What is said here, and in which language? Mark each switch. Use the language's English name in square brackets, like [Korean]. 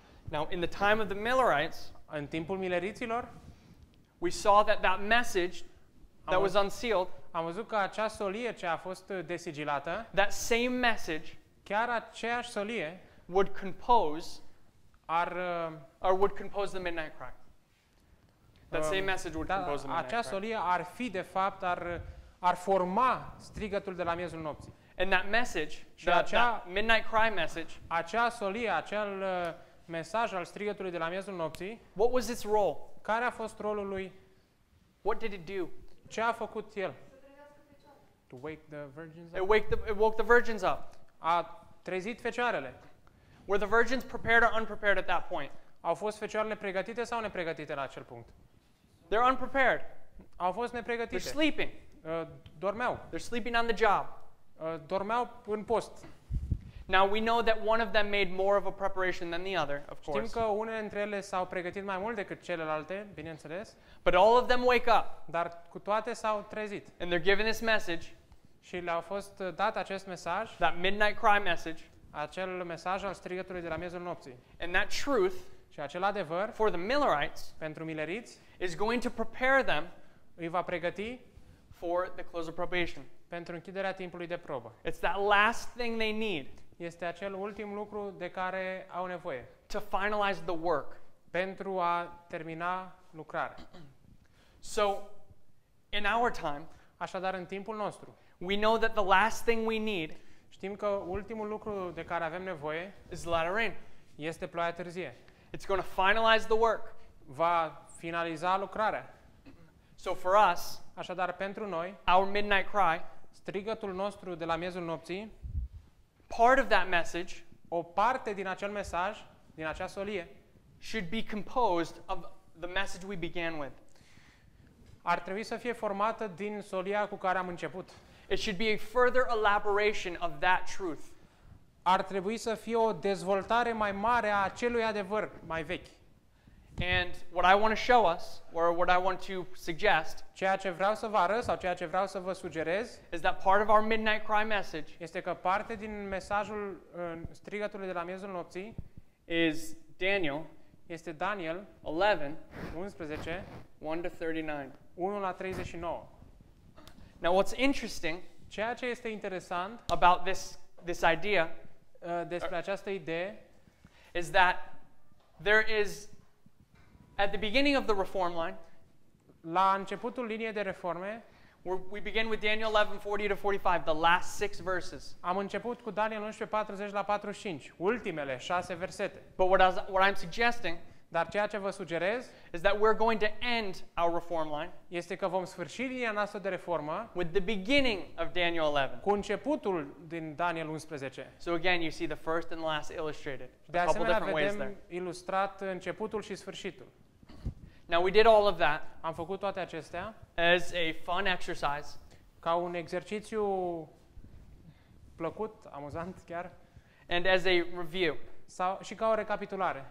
[English] Now, in the time of the Millerites, [Romanian] în timpul mileriților, [English] we saw that that message that was unsealed, [Romanian] am văzut că acea solie ce a fost desigilată, [English] that same message, [Romanian] chiar aceeași solie, [English] would compose, or would compose the midnight cry. That same message would compose the midnight cry. [Romanian] Acea solie ar fi de fapt ar forma strigătul de la miezul nopții. [English] And that message, that midnight cry message, [Romanian] acea solie, acel mesaj al strigătului de la miezul nopții, [English] what was its role? [Romanian] Care a fost rolul lui? [English] What did it do? [Romanian] Ce a făcut el? [English] To wake the virgins up. It woke the virgins up. [Romanian] A trezit fecioarele. [English] Were the virgins prepared or unprepared at that point? [Romanian] Au fost fecioarele pregătite sau nepregătite la acel punct? [English] They're unprepared. [Romanian] Au fost nepregătite. [English] They're sleeping. [Romanian] Dormeau. [English] They're sleeping on the job. [Romanian] Dormeau în post. [English] Now we know that one of them made more of a preparation than the other, of course. [Romanian] Știm că unele dintre ele s-au pregătit mai mult decât celelalte, bineînțeles. [English] But all of them wake up. [Romanian] Dar cu toate s-au trezit. [English] And they're given this message. [Romanian] Și le-au fost dat acest mesaj. [English] That midnight cry message. [Romanian] Acel mesaj al strigătului de la miezul nopții. [English] And that truth. [Romanian] Și acel adevăr. [English] For the Millerites. [Romanian] Pentru mileriți. [English] Is going to prepare them. [Romanian] Îi va pregăti. [English] For the close of probation. [Romanian] Pentru închiderea timpului de probă. [English] It's that last thing they need. [Romanian] Este acel ultim lucru de care au nevoie. [English] To finalize the work. [Romanian] Pentru a termina lucrarea. [English] So, in our time, [Romanian] așadar, în timpul nostru, [English] we know that the last thing we need, [Romanian] știm că ultimul lucru de care avem nevoie, [English] is a lot of rain. [Romanian] Este ploaia târzie. [English] It's going to finalize the work. [Romanian] Va finaliza lucrarea. [English] So for us, [Romanian] așadar, pentru noi, [English] our midnight cry, [Romanian] strigătul nostru de la miezul nopții, [English] part of that message, [Romanian] o parte din acel mesaj, din acea solie, [English] should be composed of the message we began with. [Romanian] Ar trebui să fie formată din solia cu care am început. [English] It should be a further elaboration of that truth. [Romanian] Ar trebui să fie o dezvoltare mai mare a acelui adevăr mai vechi. [English] And what I want to show us, or what I want to suggest, [Romanian] ceea ce vreau să vă arăt sau ceea ce vreau să vă sugerez, [English] is that part of our midnight cry message, [Romanian] este că parte din mesajul strigătului de la miezul nopții, [English] is Daniel, [Romanian] este Daniel 11, 1-39. [English] Now what's interesting, [Romanian] ceea ce este interesant, [English] about this idea, [Romanian] despre această idee, [English] is that there is, at the beginning of the reform line, [Romanian] la începutul liniei de reforme, [English] we begin with Daniel 11:40-45, the last six verses. [Romanian] Am început cu Daniel 11:40-45, ultimele șase versete. [English] But what I'm suggesting, [Romanian] dar ceea ce vă sugerez, [English] is that we're going to end our reform line, [Romanian] este că vom sfârși linia noastră de reformă, [English] with the beginning of Daniel 11. [Romanian] Cu începutul din Daniel 11. [English] So again, you see the first and last illustrated. [Romanian] De asemenea, vedem ilustrat începutul și sfârșitul. [English] Now we did all of that. [Romanian] Am făcut toate acestea. [English] As a fun exercise. [Romanian] Ca un exercițiu plăcut, amuzant chiar. [English] And as a review. [Romanian] Sau și ca o recapitulare.